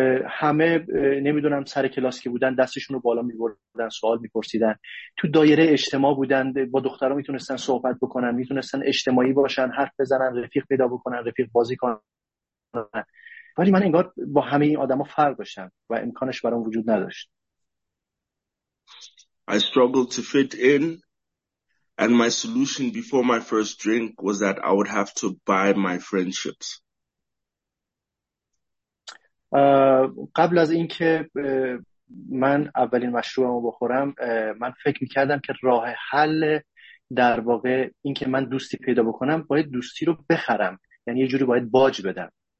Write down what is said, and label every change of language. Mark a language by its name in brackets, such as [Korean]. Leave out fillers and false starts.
[Persian] همه نمیدونم سر کلاس که بودن دستشون رو بالا میبردن، سوال میپرسیدن، تو دایره اجتماع بودن، با دخترها میتونستن صحبت بکنن، میتونستن اجتماعی باشن، حرف بزنن، رفیق پیدا بکنن، رفیق بازی کنن، ولی من انگار با همه این آدم ها فرق داشتم و امکانش برام وجود نداشت. [English] I struggled to fit in. And my solution before my first drink was that I would have to buy my friendships. [Persian] قبل از اینکه من اولین مشروبمو بخورم، من فکر می‌کردم که راه حل در واقع اینکه من دوستی پیدا بکنم، باید دوستی رو بخرم. یعنی یه جوری باید باج بدم.